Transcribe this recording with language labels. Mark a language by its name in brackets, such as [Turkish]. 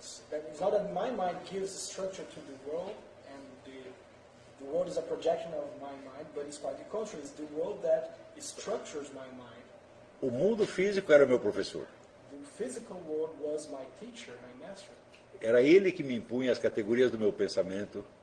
[English] That is not that my mind gives a structure to the world, and the world is a projection of my mind, but it's quite the contrary. It's the world that structures my mind. [Portuguese] O mundo físico era meu professor. [English] The physical world was my teacher, my master. [Portuguese] Era ele que me impunha as categorias do meu pensamento.